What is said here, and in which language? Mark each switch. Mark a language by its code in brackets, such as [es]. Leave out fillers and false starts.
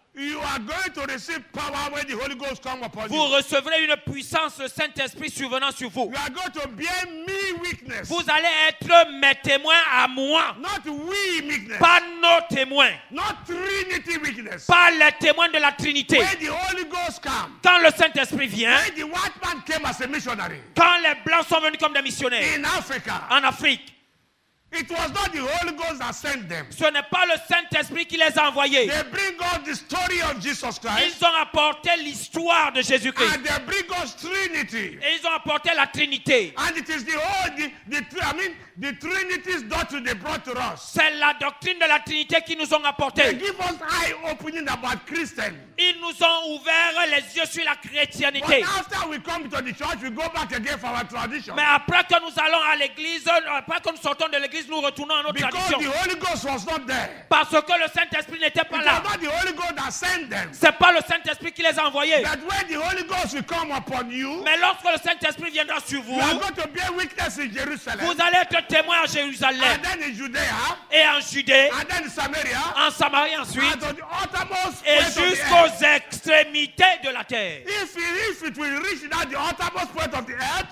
[en] You are going to receive power when the Holy Ghost comes upon you. [fr] Vous recevrez une puissance, le Saint-Esprit survenant sur vous. [en] You are going to be me witness. [fr] Vous allez être mes témoins à moi. [en] Not we witness. [fr] Pas nos témoins. [en] Not Trinity witness. [fr] Pas les témoins de la Trinité. [en] When the Holy Ghost comes. [fr] Quand le Saint-Esprit vient. [en] When the white man came as a missionary. [fr] Quand les blancs sont venus comme des missionnaires. [en] In Africa. [fr] En Afrique. [en] It was not the Holy Ghost that sent them. [fr] Ce n'est pas le Saint-Esprit qui les a envoyés. [en] They bring us the story of Jesus Christ. [fr] Ils ont apporté l'histoire de Jésus-Christ. [en] And they bring us Trinity. [fr] Et ils ont apporté la Trinité. [en] And it is the Trinity's doctrine they brought to us. [fr] C'est la doctrine de la Trinité qui nous ont apporté. [en] They give us eye opening about Christian. [fr] Ils nous ont ouvert les yeux sur la chrétienté. [en] But after we come to the church, we go back again for our tradition. [fr] Mais après que nous allons à l'église, après que nous sortons de l'église, nous retournons à notre [en] Because [fr] tradition. [en] The Holy Ghost was not there. [fr] Parce que le Saint-Esprit n'était pas [en] It [fr] là. [en] Was not the Holy Ghost that sent them. [fr] C'est pas le Saint-Esprit qui les a envoyés. [en] But when the Holy Ghost will come upon you, [fr] mais lorsque le Saint-Esprit viendra sur vous, [en] you are going to be a witness in Jerusalem. [fr] Vous allez être témoin à Jérusalem. [en] And then in Judea, [fr] et en Judée. [en] And then in Samaria, [fr] en Samarie ensuite. [en] And to the uttermost [fr] et jusqu'aux extrémités de la terre. [en] If it will reach that the uttermost point of the earth,